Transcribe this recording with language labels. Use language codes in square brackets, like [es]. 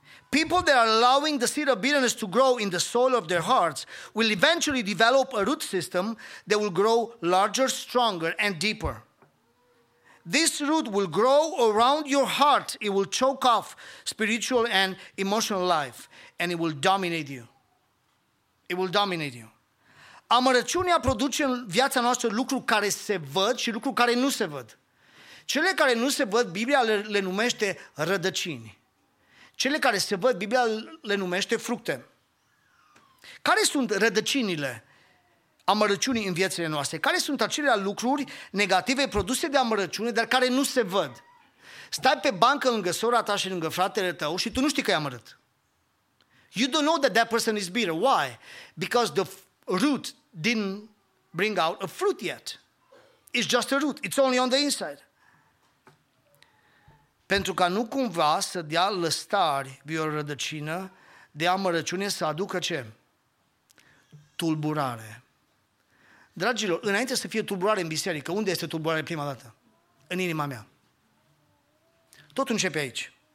[en] People that are allowing the seed of bitterness to grow in the soil of their hearts will eventually develop a root system that will grow larger, stronger, and deeper. This root will grow around your heart. It will choke off spiritual and emotional life, and it will dominate you. It will dominate you. [ro] Amărăciunea produce în viața noastră lucruri care se văd și lucruri care nu se văd. Cele care nu se văd, Biblia le numește rădăcini. Cele care se văd, Biblia le numește fructe. Care sunt rădăcinile amărăciunii în viețile noastre? Care sunt acelea lucruri negative produse de amărăciune, dar care nu se văd? Stai pe bancă lângă sora ta și lângă fratele tău și tu nu știi că e amărât. [en] You don't know that that person is bitter. Why? Because the root didn't bring out a fruit yet. It's just a root. It's only on the inside. [ro] Pentru ca nu cumva să dea lăstari vreo rădăcină de amărăciune să aducă ce? Tulburare. Dragilor, înainte să fie tulburare în biserică, unde este tulburare prima dată? În inima mea. Totul începe aici.